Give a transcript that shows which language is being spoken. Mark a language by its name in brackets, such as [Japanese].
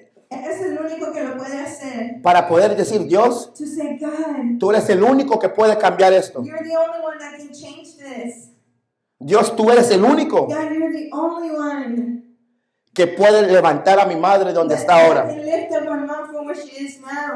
[Spanish] Es el único que lo puede hacer. Para poder decir, Dios, tú eres el único que puede cambiar esto. [English] You're the only one that can change this. [Spanish] Dios, tú eres el único. [English] God, you're the only one. [Spanish] Que puede levantar a mi madre donde está ahora. [English] Lift up my mom from where she is now.